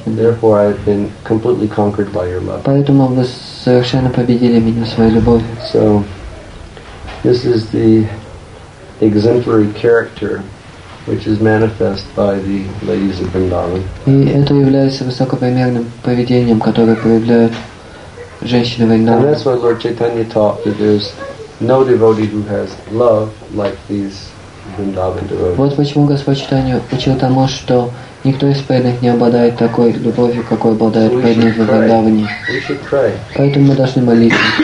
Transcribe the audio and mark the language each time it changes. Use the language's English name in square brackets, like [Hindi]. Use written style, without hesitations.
[Russian] Поэтому вы совершенно победили меня своей любовью. И это является высокопримерным поведением, которое проявляют женщины Вриндаван. [English] And that's why Lord Chaitanya taught that there's no devotee who has love like these Vrindavan devotees. [Russian] Вот почему Господь Чайтанья учил тому, что Никто из преданных не обладает такой любовью, какой обладает преданный во Вриндаване. Поэтому мы должны молиться.